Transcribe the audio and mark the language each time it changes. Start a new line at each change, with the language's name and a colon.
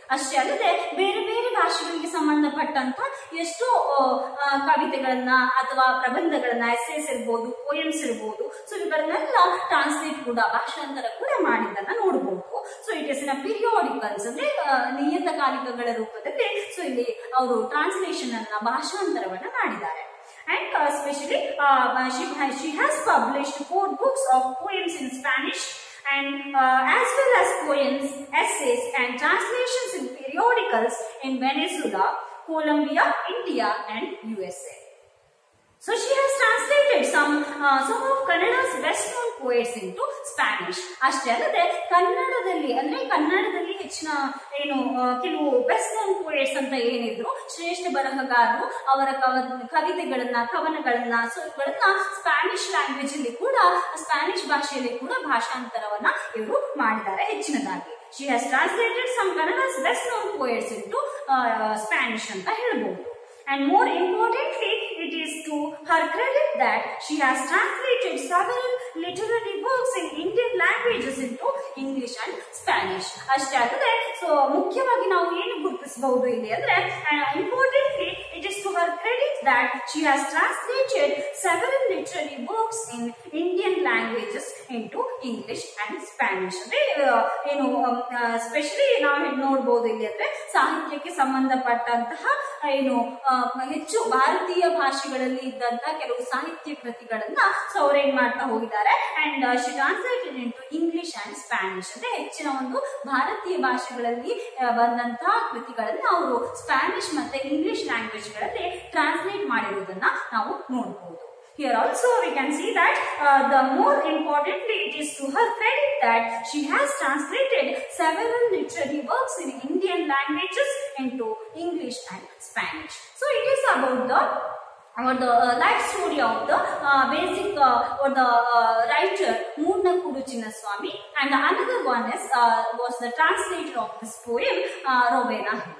Kannada: ಅಷ್ಟೇ ಅಲ್ಲದೆ ಬೇರೆ ಬೇರೆ ಭಾಷೆಗಳಿಗೆ ಸಂಬಂಧಪಟ್ಟಂತ ಎಷ್ಟೋ ಕವಿತೆಗಳನ್ನ ಅಥವಾ ಪ್ರಬಂಧಗಳನ್ನ, ಎಸ್ಸೇಸ್ ಇರ್ಬೋದು, ಪೋಯಮ್ಸ್ ಇರ್ಬೋದು, ಸೊ ಇವರನ್ನೆಲ್ಲ ಟ್ರಾನ್ಸ್ಲೇಟ್ ಕೂಡ, ಭಾಷಾಂತರ ಕೂಡ ಮಾಡಿದ್ದನ್ನ ನೋಡಬಹುದು.
English: so it is in a periodicals
Kannada: ಅಂದ್ರೆ ನಿಯತಕಾಲಿಕಗಳ ರೂಪದಲ್ಲಿ. ಸೊ ಇಲ್ಲಿ ಅವರು ಟ್ರಾನ್ಸ್ಲೇಷನ್ ಅನ್ನ, ಭಾಷಾಂತರವನ್ನ ಮಾಡಿದ್ದಾರೆ.
English: And especially she has published 4 books of poems in Spanish and as well as poems, essays and translations in periodicals in Venezuela, Colombia, India and USA. So she has translated some of Kannada's best known poets into Spanish.
Kannada: ಅಷ್ಟೇ ಅಲ್ಲದೆ ಕನ್ನಡದಲ್ಲಿ ಅಂದ್ರೆ ಕನ್ನಡದಲ್ಲಿ ಹೆಚ್ಚಿನ ಏನು ಕೆಲವು
English: best known poets
Kannada: ಅಂತ ಏನಿದ್ರು, ಶ್ರೇಷ್ಠ ಬರಹಗಾರರು, ಅವರ ಕವಿತೆಗಳನ್ನ, ಕವನಗಳನ್ನ, ಸೊಗಳನ್ನ ಸ್ಪ್ಯಾನಿಶ್ ಲ್ಯಾಂಗ್ವೇಜ್ ಅಲ್ಲಿ ಕೂಡ, ಸ್ಪ್ಯಾನಿಶ್ ಭಾಷೆಯಲ್ಲಿ ಕೂಡ ಭಾಷಾಂತರವನ್ನ ಇವರು ಮಾಡಿದ್ದಾರೆ ಹೆಚ್ಚಿನದಾಗಿ.
English: she has translated some Kannada's best known poets into Spanish
Kannada: ಅಂತ ಹೇಳ್ಬಹುದು.
English: And more importantly, it is to her credit that she has translated several literary books in Indian languages into English and Spanish.
Kannada: ಅಷ್ಟೇ ಅಲ್ಲದೆ so ಮುಖ್ಯವಾಗಿ ನಾವು ಏನು ಗುರುತಿಸಬಹುದು ಇಲ್ಲಿ ಅಂದ್ರೆ,
English: And importantly it is to her credit that she has translated several literary books in Indian languages into English and Spanish.
Kannada: ಅಂದ್ರೆ ಏನು ಸ್ಪೆಷಲಿ ನಾವು ನೋಡ್ಬೋದು ಇಲ್ಲಿ ಅಂದ್ರೆ, ಸಾಹಿತ್ಯಕ್ಕೆ ಸಂಬಂಧಪಟ್ಟಂತಹ ಏನು ಹೆಚ್ಚು ಭಾರತೀಯ ಭಾಷೆಗಳಲ್ಲಿ ಇದ್ದಂತಹ ಕೆಲವು ಸಾಹಿತ್ಯ ಕೃತಿಗಳನ್ನ ಸೊ ಅವ್ರು ಏನ್ ಮಾಡ್ತಾ ಹೋಗಿದ್ದಾರೆ,
English: And she translated into English and Spanish.
Kannada: ಅಂದ್ರೆ ಹೆಚ್ಚಿನ ಒಂದು ಭಾರತೀಯ ಭಾಷೆಗಳಲ್ಲಿ ಬಂದಂತಹ ಕೃತಿಗಳನ್ನ ಅವರು ಸ್ಪ್ಯಾನಿಶ್ ಮತ್ತೆ ಇಂಗ್ಲಿಷ್ ಲ್ಯಾಂಗ್ವೇಜ್ ಗಳಲ್ಲಿ ಟ್ರಾನ್ಸ್ಲೇಟ್ ಮಾಡಿರೋದನ್ನ ನಾವು ನೋಡಬಹುದು.
English: Here also we can see that the more importantly it is to her credit that she has translated several literary works in Indian languages into English and Spanish. So it is about the life story of the basic writer Moodna Kuduchinna Swami, and another one was the translator of this poem Rowena.